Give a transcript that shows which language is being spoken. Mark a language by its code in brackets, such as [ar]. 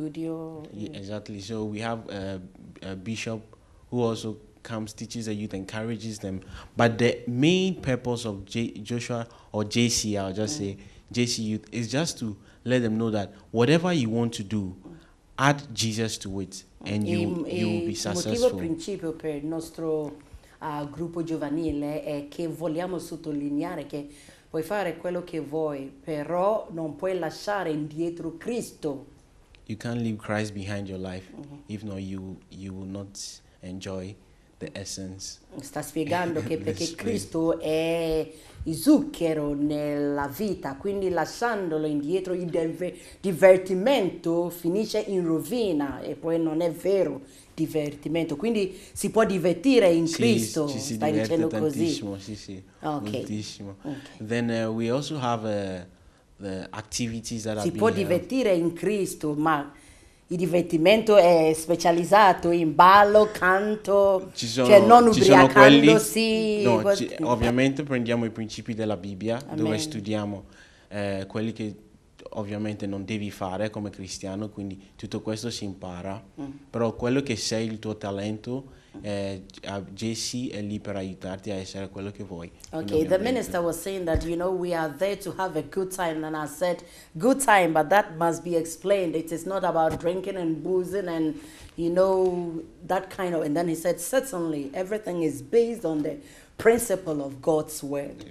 [en] Exactly. So we have a bishop who also comes, teaches the youth, encourages them. But the main purpose of JC, I'll just say, JC Youth, is just to let them know that whatever you want to do, add Jesus to it, and you will be successful. [it] Il motivo principio per il nostro gruppo giovanile è che vogliamo sottolineare che puoi fare quello che vuoi, però non puoi lasciare indietro Cristo. [en] You can't leave Christ behind your life. Mm-hmm. If not, you will not enjoy the essence. [it] Sta spiegando che perché Cristo è il zucchero nella vita, quindi lasciandolo indietro il divertimento finisce in rovina e poi non è vero divertimento. Quindi si può divertire in Cristo. Stai dicendo così. Moltissimo. [en] Then we also have the activities that [it] si può divertire in Cristo, ma il divertimento è specializzato in ballo, canto, ci sono, cioè non ubriacandosi. No, ovviamente prendiamo i principi della Bibbia. Amen. Dove studiamo quelli che ovviamente non devi fare come cristiano, quindi tutto questo si impara. Però quello che sei, il tuo talento, JC è lì per aiutarti a essere quello che vuoi. [en] Okay, the minister was saying that, you know, we are there to have a good time, and I said good time, but that must be explained. It is not about drinking and boozing and, you know, that kind of. And then he said, certainly everything is based on the principle of God's word.